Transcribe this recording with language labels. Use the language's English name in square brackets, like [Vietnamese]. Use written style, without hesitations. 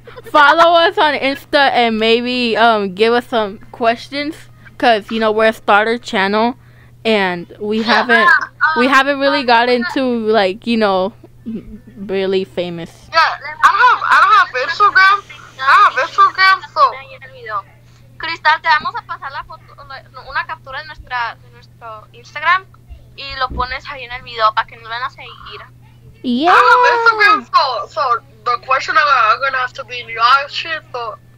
[English] Follow us on Insta and maybe give us some questions, cause you know we're a starter channel, and we haven't really gotten to like you know really famous. Yeah, I don't have Instagram, so. [Spanish] Cristal, te vamos a pasar la foto, una captura de nuestro Instagram y lo pones ahí en el video para que nos vayan a seguir. Yeah. [English] Ah, Instagram, so the question I'm gonna have to be in your shit, so.